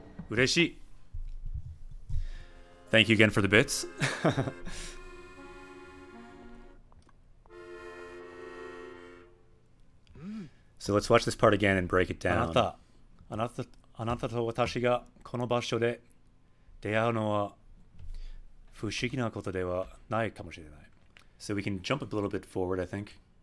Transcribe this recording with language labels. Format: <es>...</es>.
<ja>嬉しい。</ja> <en>Thank you again for the bits. So let's watch this part again and break it down.</en> <ja>あなたと私がこの場所で出会うのは不思議なことではないかもしれない。</ja> <en>So we can jump a little bit forward, I think.</en>